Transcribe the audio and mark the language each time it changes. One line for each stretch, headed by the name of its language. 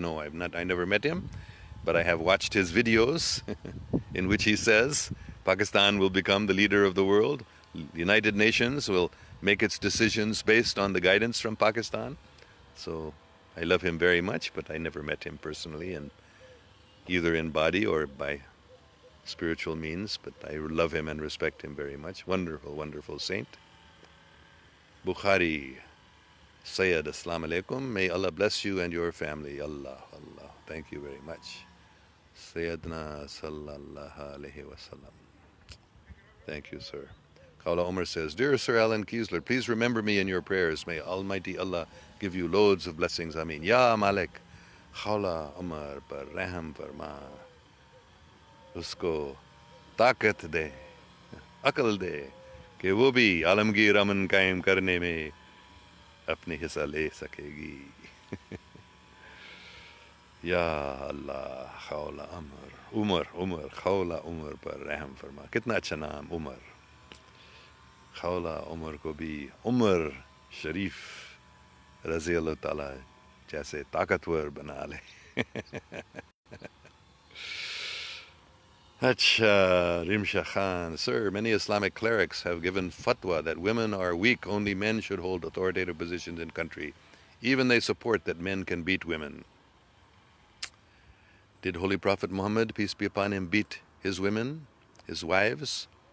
English: No, I have not, I never met him, but I have watched his videos in which he says Pakistan will become the leader of the world, United Nations will make its decisions based on the guidance from Pakistan. So I love him very much, but I never met him personally in either in body और by spiritual means, but I love him and respect him very much. Wonderful, wonderful saint. Bukhari Sayyid, assalamu alaikum, may Allah bless you and your family. Allah, Allah, thank you very much. Sayyidna sallallahu alayhi wa sallam, thank you sir. Kaula Omar says, dear Sir Alan Keisler, please remember me in your prayers. May Almighty Allah give you loads of blessings. Ameen.
Hindi: Ya Malik, Kaula Omar par raham farma, उसको ताकत दे, अकल दे कि वो भी आलमगीर अमन कायम करने में अपनी हिस्सा ले सकेगी। या अल्लाह, खौला उमर, उमर उमर, खौला उमर पर रहम फरमा। कितना अच्छा नाम उमर, खौला उमर को भी उमर शरीफ रज़ी अल्लाह ताला जैसे ताकतवर बना ले।
English: Achha, Rimsha Khan, sir, many Islamic clerics have given fatwa that women are weak, only men should hold authoritative positions in country. Even they support that men can beat women. Did Holy Prophet Muhammad, peace be upon him, beat his women, his wives?